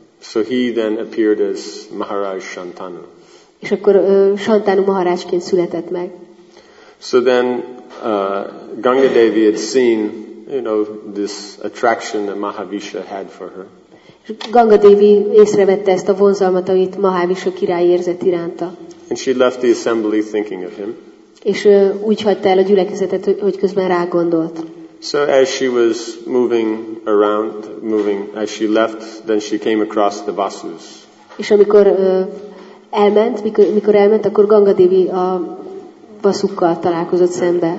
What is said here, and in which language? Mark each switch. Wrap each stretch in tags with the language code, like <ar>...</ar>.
<en>So he then appeared as Maharaj Shantanu.</en> <hu>És akkor Shantanu Maharajként született meg.</hu> <en>So then Ganga Devi had seen, you know, this attraction that Mahavishu had for her.</en> <hu>És Ganga Devi észrevette ezt a vonzalmat, amit Mahavishu király érzett iránta.</hu> <en>And she left the assembly thinking of him.</en> <hu>És úgy hagyta el a gyülekezetet, hogy közben rá gondolt.</hu> <en>So as she was moving around, as she left, then she came across the Vasus.</en> <hu>És amikor elment, akkor Ganga Devi a Vasukkal találkozott szembe.</hu>